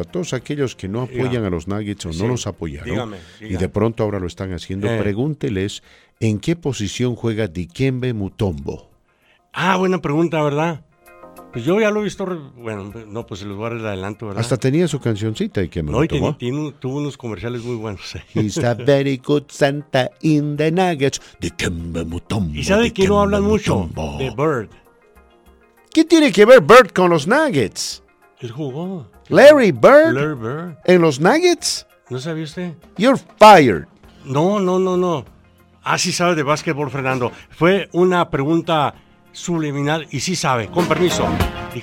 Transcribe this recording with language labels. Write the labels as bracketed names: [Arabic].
[Spanish] A todos aquellos que no apoyan a los Nuggets o no los apoyaron, dígame. Y de pronto ahora lo están haciendo, pregúnteles en qué posición juega Dikembe Mutombo. Ah, buena pregunta, ¿verdad? Pues yo ya lo he visto, bueno, no, pues se los voy a dar el adelanto, ¿verdad? Hasta tenía su cancioncita y que me lo tomó. No, y tuvo unos comerciales muy buenos. [English] He's a very good Santa in the Nuggets. [Spanish] Dikembe Mutombo. ¿Y sabe de qué no hablan mucho? De Bird. ¿Qué tiene que ver Bird con los Nuggets? Él jugó. Larry Bird. Larry Bird. ¿En los Nuggets? ¿No sabía usted? [English] You're fired. [Spanish] No. Ah, sí sabe de básquetbol, Fernando. Fue una pregunta subliminal y sí sabe, con permiso. Dije